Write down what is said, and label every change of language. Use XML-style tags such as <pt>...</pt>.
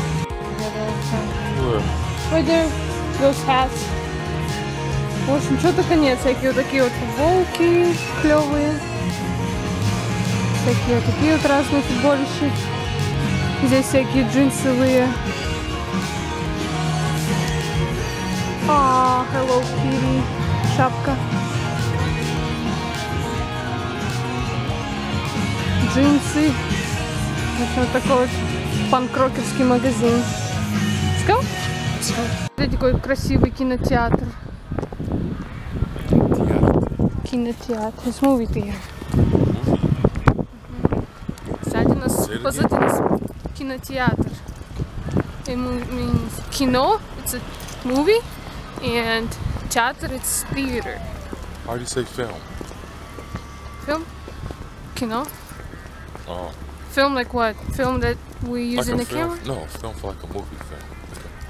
<en>Господи, those hats.</en> <ru>В общем, что-то конец. Всякие вот такие вот футболки клевые. Всякие вот такие вот разные футболищи. Здесь всякие джинсовые. Hello Kitty. Шапка. Джинсы. В общем, вот такой вот панк-рокерский магазин. Скал? Скал. Вот такой красивый кинотеатр.</ru> <en>Кинотеатр. It's movie theater.</en> <ru>Сзади нас, позади нас кинотеатр.</ru> <en>It means кино, it's a movie, and театр, it's theater. How do you say film? Film? Кино? Oh. Film like what? Film that we use like in the camera? No, film for like a movie film.</en>